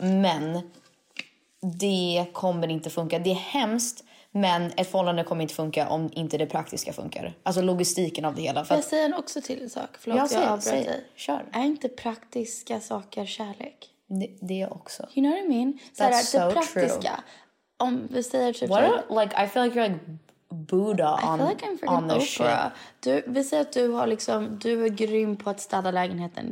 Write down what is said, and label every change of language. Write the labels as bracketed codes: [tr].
[sv] Men det kommer inte funka. Det är hemskt. Men ett förhållande kommer inte funka om inte det praktiska funkar. Alltså logistiken av det hela. För jag säger också till en sak. Förlåt, jag avbröt dig. Kör. Är inte praktiska saker kärlek? Det är också. [en] You know what I mean? [sv] Såhär, [en] that's so [sv] det praktiska. [en] True. [sv] Om vi säger typ... [en] What I feel like you're like Buddha on the shit. I feel like I'm freaking Oprah. [sv] Du, vi säger att du har liksom... Du är grym på att städa lägenheten.